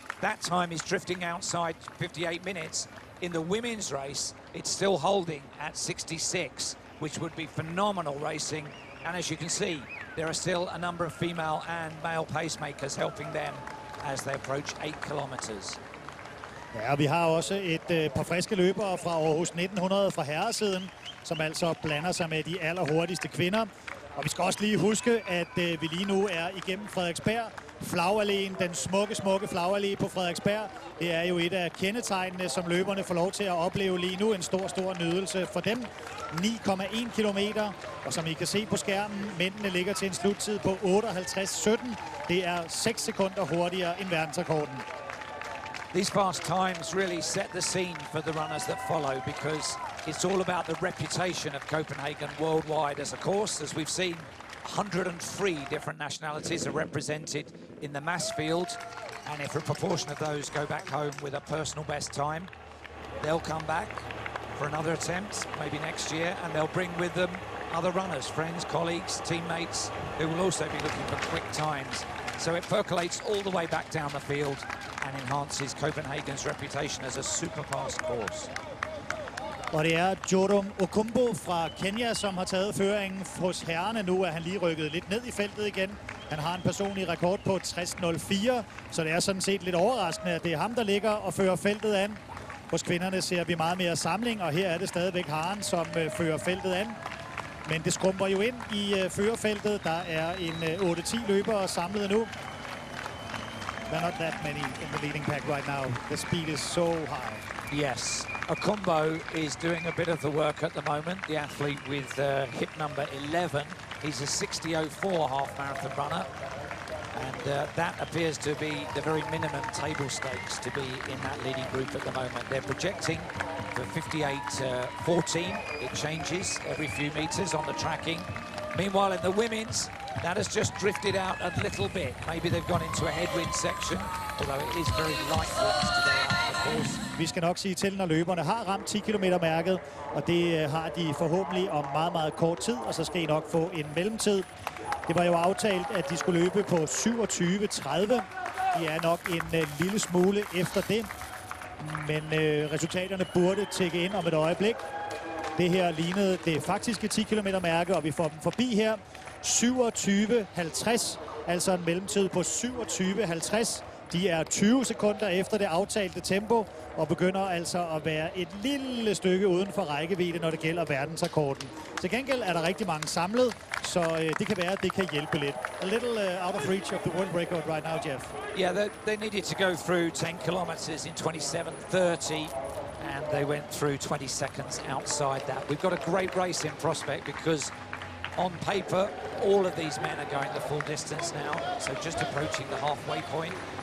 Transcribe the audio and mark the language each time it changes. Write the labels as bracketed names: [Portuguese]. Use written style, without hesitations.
[English] That time he's drifting outside 58 minutes. In the women's race, it's still holding at 66, which would be phenomenal racing. And as you can see, there are still a number of female and male pacemakers helping them as they approach 8 kilometers. [Danish] Ja, vi har også et par friske løbere fra Aarhus 1900 fra herresiden, som altså blander sig med de allerhurtigste kvinder. Og vi skal også lige huske, at vi lige nu er igennem Frederiksberg. Flagalléen, den smukke, smukke flagallé på Frederiksberg, det er jo et af kendetegnene, som løberne får lov til at opleve lige nu. En stor, stor nydelse for dem. 9,1 kilometer, og som I kan se på skærmen, mændene ligger til en sluttid på 58:17. Det er 6 sekunder hurtigere end verdensrekorden. [English] These fast times really set the scene for the runners that follow, because it's all about the reputation of Copenhagen worldwide as a course. As we've seen, 103 different nationalities are represented in the mass field, and if a proportion of those go back home with a personal best time, they'll come back for another attempt, maybe next year, and they'll bring with them other runners, friends, colleagues, teammates, who will also be looking for quick times. So it percolates all the way back down the field and enhances Copenhagen's reputation as a super fast course. [Danish] Og det er Jorum Okumbo fra Kenya, som har taget føringen hos herrerne. Nu er han lige rykket lidt ned i feltet igen. Han har en personlig rekord på 60:04, så det er sådan set lidt overraskende, at det er ham, der ligger og fører feltet an. Hos kvinderne ser vi meget mere samling, og her er det stadigvæk haren, som fører feltet an. Men det skrumper jo ind i førerfeltet. Der er en 8-10 løbere samlet nu. [English] There are not that many in the leading pack right now. The speed is so high. Yes, Okumbo is doing a bit of the work at the moment, the athlete with hip number 11. He's a 60:04 half marathon runner, and that appears to be the very minimum table stakes to be in that leading group at the moment. They're projecting for 58:14. It changes every few meters on the tracking. Meanwhile, in the women's, that has just drifted out a little bit. Maybe they've gone into a headwind section, although it is very light laps today. [Danish] Vi skal nok sige til, når løberne har ramt 10 km-mærket, og det har de forhåbentlig om meget, meget kort tid, og så skal I nok få en mellemtid. Det var jo aftalt, at de skulle løbe på 27:30, De er nok en lille smule efter det, men resultaterne burde tække ind om et øjeblik. Det her lignede det faktiske 10 km mærke, og vi får dem forbi her. 27.50, altså en mellemtid på 27.50. De er 20 sekunder efter det aftalte tempo, og begynder altså at være et lille stykke uden for rækkevidde, når det gælder verdensrekorden. Til gengæld er der rigtig mange samlet, så det kan være, at det kan hjælpe lidt. [English] A little out of reach of the world record right now, Jeff. Yeah, they needed to go through 10 kilometers in 27.30, and they went through 20 seconds outside that. We've got a great race in prospect, because on paper, all of these men are going the full distance now, so just approaching the halfway point.